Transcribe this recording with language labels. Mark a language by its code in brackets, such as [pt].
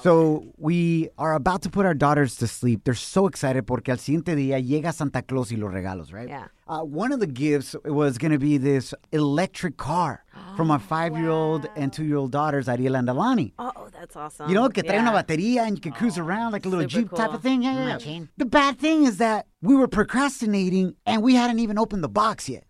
[en] So we are about to put our daughters to sleep. They're so excited [es] porque al siguiente día llega Santa Claus y los regalos, right? [en] Yeah. One of the gifts was going to be this electric car from my five-year-old and two-year-old daughters, Ariela and Alani. Oh, that's awesome. You know, [es] que trae una batería [en] and you can cruise around like a little Jeep type of thing. Yeah. The bad thing is that we were procrastinating and we hadn't even opened the box yet.